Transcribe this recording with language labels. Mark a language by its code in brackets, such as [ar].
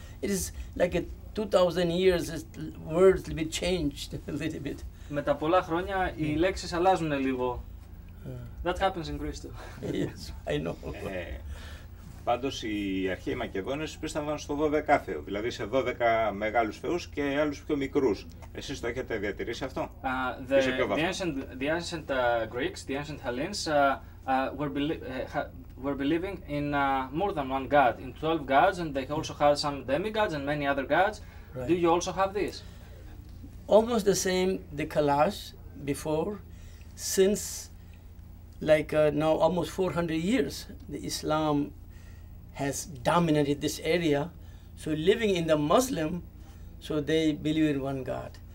[en] It is like a 2,000 years, the words will be changed a little bit. [el] Με τα πολλά χρόνια οι λέξεις αλλάζουν λίγο. [en] That happens in Greece too. Yes, I know. [el] Πάντως οι αρχαίοι Μακεδόνες πίστευαν στο 12 θεό, δηλαδή σε 12 μεγάλους θεούς και άλλους πιο μικρούς. Εσείς το έχετε διατηρήσει αυτό? [en] The ancient Greeks, the ancient Hellenes were believing in more than one god, in 12 gods, and they also had some demigods and many other gods. Right. Do you also have this? Almost the same, the Kalash before, since like now almost 400 years, the Islam has dominated this area, so living in the Muslim, so they believe in one God.